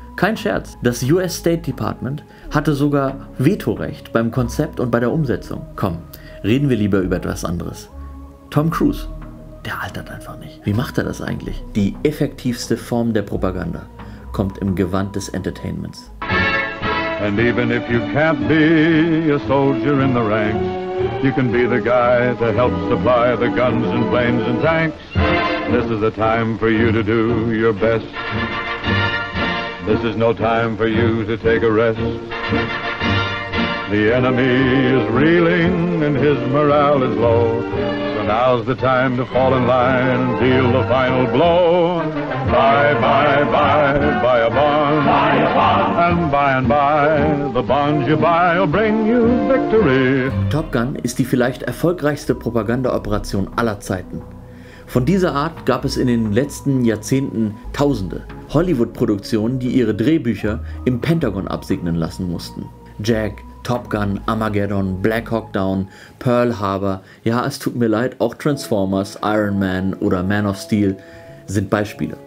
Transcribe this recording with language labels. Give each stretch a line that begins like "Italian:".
German: Kein Scherz, das US State Department hatte sogar Vetorecht beim Konzept und bei der Umsetzung. Komm, reden wir lieber über etwas anderes. Tom Cruise, der altert einfach nicht. Wie macht er das eigentlich? Die effektivste Form der Propaganda kommt im Gewand des Entertainments.
English: And even if you can't be a soldier in the ranks, you can be the guy to help supply the guns and planes and tanks. This is the time for you to do your best. This is no time for you to take a rest. The enemy is reeling and his morale is low. So now's the time to fall in line and deal the final blow. Bye, bye, bye, buy a bond. Buy a bond. And by, the bonds you buy will bring you victory.
German: Top Gun ist die vielleicht erfolgreichste Propaganda-Operation aller Zeiten. Von dieser Art gab es in den letzten Jahrzehnten Tausende. Hollywood-Produktionen, die ihre Drehbücher im Pentagon absegnen lassen mussten. Jack, Top Gun, Armageddon, Black Hawk Down, Pearl Harbor, ja, es tut mir leid, auch Transformers, Iron Man oder Man of Steel sind Beispiele.